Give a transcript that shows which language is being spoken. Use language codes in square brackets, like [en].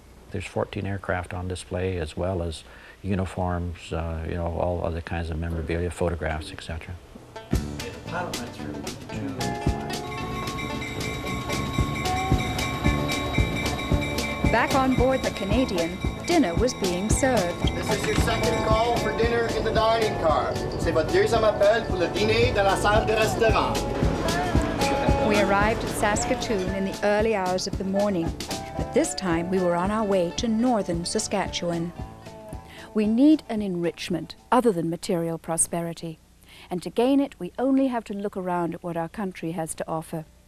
[en] There's 14 aircraft on display, as well as uniforms, you know, all other kinds of memorabilia, photographs, etc. Back on board the Canadian, dinner was being served. This is your second call for dinner in the dining car. [fr] C'est votre deuxième appel pour le dîner dans la salle de restaurant. [en] We arrived at Saskatoon in the early hours of the morning, but this time we were on our way to northern Saskatchewan. We need an enrichment other than material prosperity. And to gain it, we only have to look around at what our country has to offer.